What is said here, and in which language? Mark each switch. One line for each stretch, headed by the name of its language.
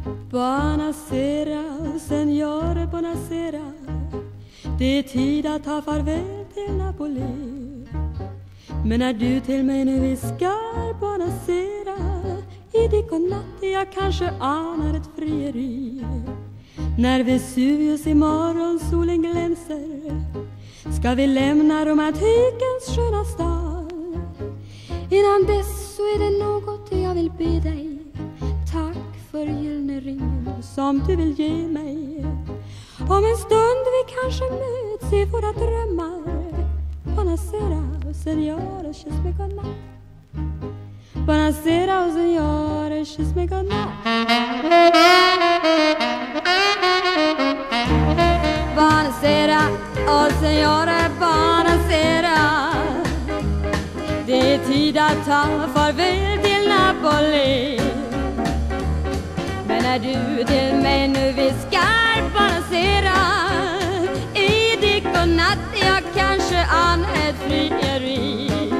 Italian: Buonasera, signore, buonasera.
Swedish: Det är tid att ta farväl till Napoli. Men när du till mig nu viskar buonasera, i det godnatt jag kanske anar ett frieri. När Vesuvius i morgon solen glänser, ska vi lämna romantikens sköna stad. Innan dess så är det något jag vill be dig. Tack för gyllene ringen som du vill ge mig. Om en stund vi kanske möts i våra drömmar.
Italian: Buonasera, signore,
Swedish: kyss mig godnatt. Buonasera, signore, kyss mig godnatt.
Italian: Buonasera, signore, buonasera.
Swedish: Det är tid att ta farväl till Napoli. När du till mig nu viskar buonasera, i dig godnatt jag kanske an ett frieri.